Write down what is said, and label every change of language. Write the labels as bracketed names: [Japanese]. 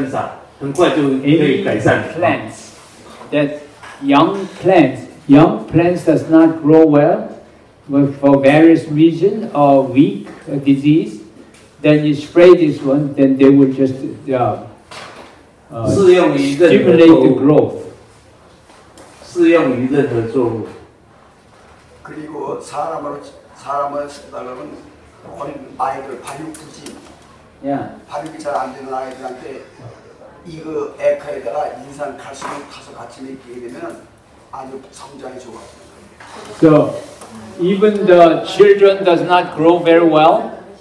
[Chinese] 用这个童子液，就是用在当你的作物长势不够好的时候，你把这个童子液稀释以后去喷洒，很快就可以改善。 [English] Plants that young plants does not grow well, but for various reasons or weak disease, then you spray this one, then they will just stimulate the growth. [Chinese] 适用于任何作物. [Korean] 그리고 사람을 쓴다면 어린 아이들 발육부지. [English] Yeah. [Korean] 발육이 잘 안 되는 아이들한테 이거 에카에다가 인산 칼슘을 타서 같이 넣게 되면 아주 성장이 좋아. [English] So even the children does not grow very well.